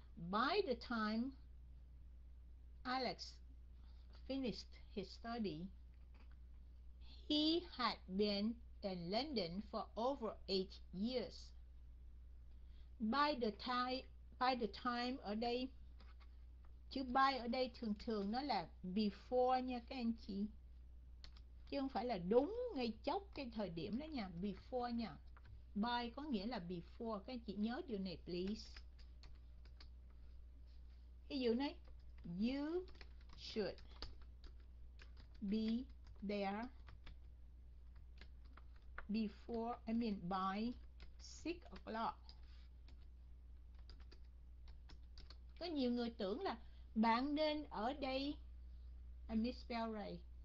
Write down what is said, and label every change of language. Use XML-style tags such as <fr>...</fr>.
<en>By the time Alex finished his study, he had been in London for over 8 years.</en> <vi>By the time ở đây, chữ by ở đây thường thường nó là before nha các anh chị, chứ không phải là đúng ngay chốc cái thời điểm đó nha, before nha. By có nghĩa là before, các anh chị nhớ điều này please. Ví dụ này,</vi> <en>you should be there before, I mean by 6 o'clock.</en> <vi>Có nhiều người tưởng là bạn nên ở đây,</vi> <en>I misspell right.</en>